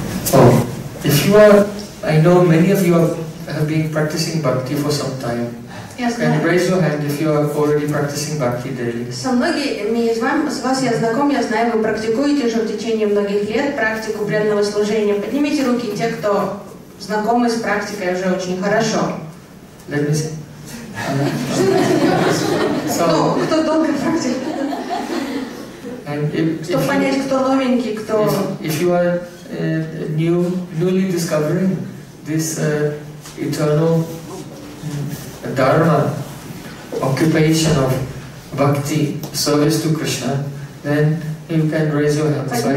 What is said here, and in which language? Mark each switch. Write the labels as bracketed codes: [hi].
[en] I know many of you have been practicing bhakti for some time. Yes, can you raise your hand if you are already practicing bhakti daily? [ru] Со многими из вас я знаком, я знаю, вы практикуете уже в течение многих лет практику преданного служения. Поднимите руки те, кто знакомы с практикой уже очень хорошо. [en] Let me see. [ru] Кто долго практикует? Чтобы понять, кто новенький, кто... [en] Newly discovering this eternal dharma, occupation of bhakti, service to Krishna, then you can raise your hands.